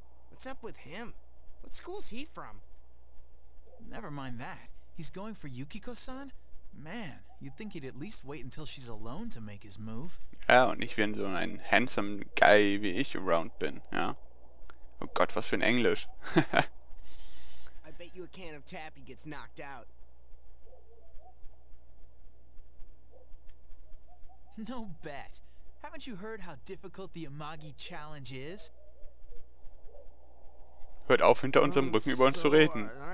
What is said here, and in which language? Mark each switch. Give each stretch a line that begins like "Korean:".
English: What's up with him? What school is he from? Never mind that. He's going for Yukiko-san? Man, you'd think he'd at least wait until she's alone to make his move.
German: Ja, und ich, wenn so ein
English: handsome Guy
German: wie ich around bin, ja. Oh Gott, was für ein Englisch.
English: I bet you a can of Tappy gets knocked out. No bet. Haven't you heard how difficult the Amagi challenge is?
German: Hört auf, hinter unserem Rücken über uns zu reden.